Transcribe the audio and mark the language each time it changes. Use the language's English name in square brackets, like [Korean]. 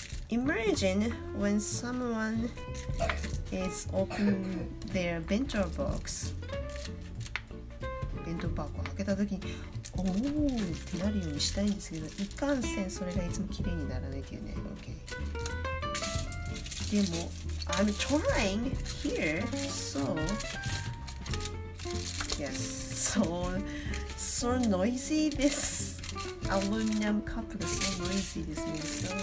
[English] Imagine when someone is opening their bento box. [Japanese] 弁当箱を開けた時に、おーってなるようにしたいんですけど、いかんせんそれがいつも綺麗にならないっていうね。 [English] Okay. [Japanese] でも、 [English] I'm trying here, so yes, so noisy this aluminum cup is so noisy this thing.